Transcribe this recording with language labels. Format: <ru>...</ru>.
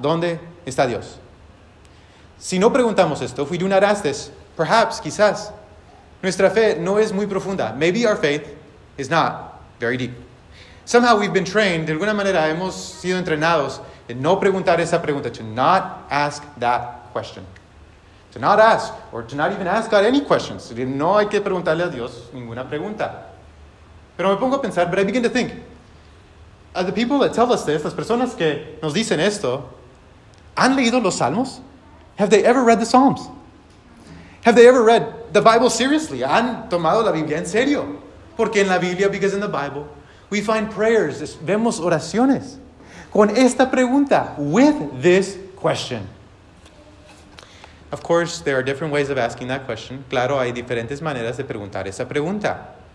<es>¿Dónde está Dios? Si no preguntamos esto,</es> <en>if we do not ask this, perhaps,</en> <es>quizás, nuestra fe no es muy profunda.</es> <en>Maybe our faith is not very deep. Somehow we've been trained,</en> <es>de alguna manera hemos sido entrenados en no preguntar esa pregunta,</es> <en>to not ask that question. To not ask, or to not even ask God any questions.</en> <es>No hay que preguntarle a Dios ninguna pregunta. Pero me pongo a pensar,</es> <en>but I begin to think, are the people that tell us this,</en> <es>las personas que nos dicen esto, ¿han leído los Salmos?</es> <en>Have they ever read the Psalms? Have they ever read the Bible seriously?</en> <es>¿Han tomado la Biblia en serio? Porque en la Biblia,</es> <en>because in the Bible, we find prayers,</en> <es>vemos oraciones. Con esta pregunta,</es> <en>with this question. Of course, there are different ways of asking that question.</en> <es>Claro, hay diferentes maneras de preguntar esa pregunta.</es>